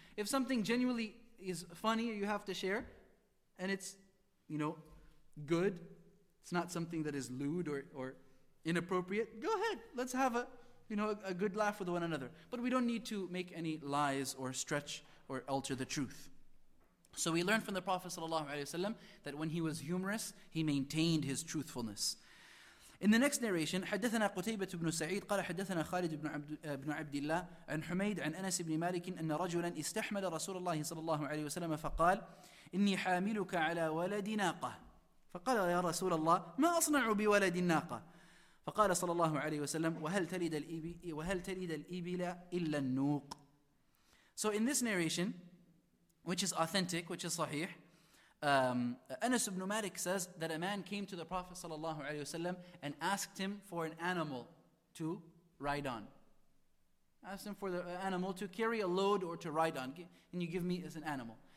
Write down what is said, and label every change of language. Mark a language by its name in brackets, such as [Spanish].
[English] If something genuinely is funny, you have to share, and it's, you know, good, it's not something that is lewd or inappropriate, go ahead, let's have a good laugh with one another. But we don't need to make any lies or stretch or alter the truth. So we learn from the Prophet ﷺ that when he was humorous, he maintained his truthfulness. In the next narration, [Arabic] حدثنا قتيبة بن سعيد قال حدثنا خالد بن عبد الله عن حميد عن أنس بن مالك أن رجلا استحمل رسول الله صلى الله عليه وسلم فقال إني حاملك على ولد ناقة فقال يا رسول الله ما أصنع بولد الناقة فقال صلى الله عليه وسلم وهل تلد الإبل إلا النوق. [English] So in this narration, which is authentic, which is sahih, Anas ibn Malik says that a man came to the Prophet sallallahu alaihi wasallam and asked him for an animal to ride on. Asked him for the animal to carry a load or to ride on. Can you give me as an animal?